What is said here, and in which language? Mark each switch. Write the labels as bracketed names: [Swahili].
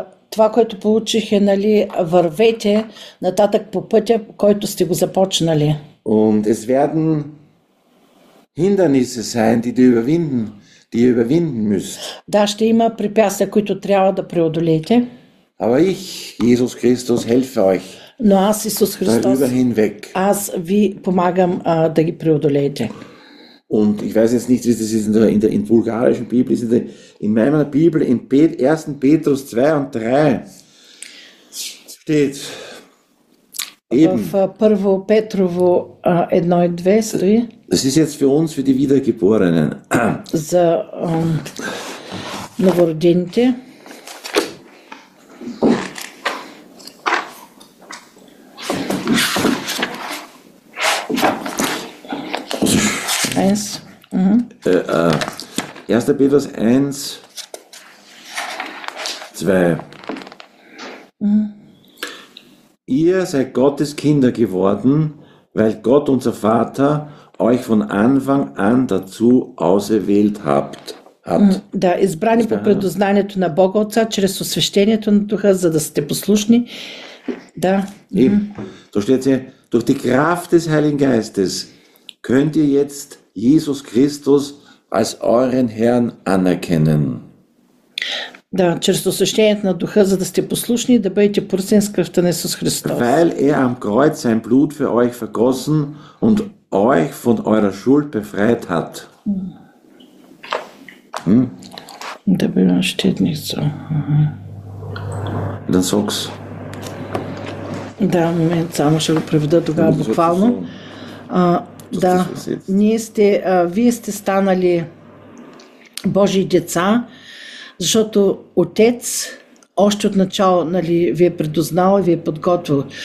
[Bulgarian] Това, което получих е, нали, вървете нататък по пътя, който сте го започнали. [German] Und es werden Hindernisse sein, die ihr überwinden [Bulgarian] Да, [German] müsst. [Bulgarian] ще има препятствия, които трябва да преодолеете. [German] Aber ich, Jesus Christus, helfe [Bulgarian] Но аз, Исус Христос, [German] euch darüber [Bulgarian] аз ви помагам да ги преодолеете. [German] Und ich weiß jetzt nicht, wie das ist in der bulgarischen Bibel, in meiner Bibel, in 1. Petrus 2 und 3 steht [Bulgarian] В Първо Петрово 1 и 2 стои [German] Das ist jetzt für uns, für die Wiedergeborenen. [Bulgarian] за новородените. [German] Erster Petrus 1, 2. Ihr seid Gottes Kinder geworden, weil Gott, unser Vater, euch von Anfang an dazu auserwählt [Bulgarian] Да, [German] hat. [Bulgarian] избрани по [German] Ist [Bulgarian] предузнанието на Бога Отца, чрез освещението на Духа, за да сте послушни [German] Da. Eben, da steht ja, durch die Kraft des Heiligen Geistes könnt ihr jetzt Jesus Christus als euren Herrn anerkennen. [Bulgarian] Да, чрез осъщението на духа, за да сте послушни и да бъдете пръсен с кръвта на Исус Христос. [German] Weil am Kreuz sein Blut für euch vergossen und euch von eurer Schuld befreit hat. [Bulgarian] Да бе, но [German] steht nicht so. Dann sag's. [Bulgarian] Да, момент, само ще го преведа тогава буквално. Да, вие сте станали Божии деца, защото Отец още от начало, нали, ви е предузнал и ви е подготвил.